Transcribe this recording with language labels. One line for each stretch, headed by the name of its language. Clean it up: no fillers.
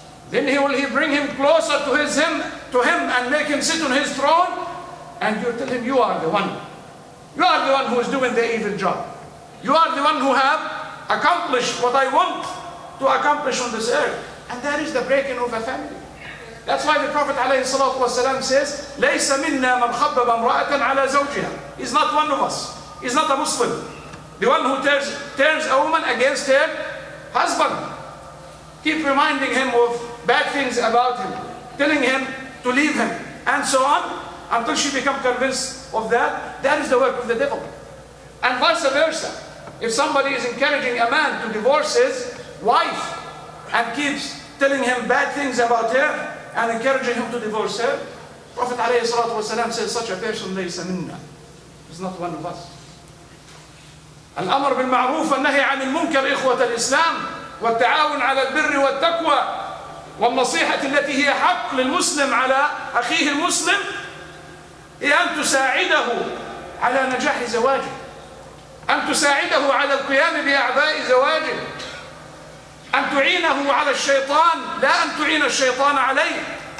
English: Then he will bring him closer to him and make him sit on his throne, and you tell him, "You are the one. You are the one who is doing the evil job. You are the one who have accomplished what I want to accomplish on this earth." And that is the breaking of a family. That's why the Prophet عليه الصلاة والسلام says,
Arabic: "ليس منا من خبب امرأة على زوجها."
English: He's not one of us. He's not a Muslim. The one who turns a woman against her husband. Keep reminding him of bad things about him, telling him to leave him, and so on, until she becomes convinced of that. That is the work of the devil. And vice versa. If somebody is encouraging a man to divorce his wife and keeps telling him bad things about her, and encouraging him to divorce her, Prophet عليه الصلاة والسلام says, such a person
Arabic: ليس منا.
English: He's not one of us.
Arabic: الأمر بالمعروف والنهي عن المنكر إخوة الإسلام والتعاون على البر والتقوى والنصيحة التي هي حق للمسلم على أخيه المسلم هي أن تساعده على نجاح زواجه، أن تساعده على القيام بأعباء زواجه، أن تعينه على الشيطان لا أن تعين الشيطان عليه.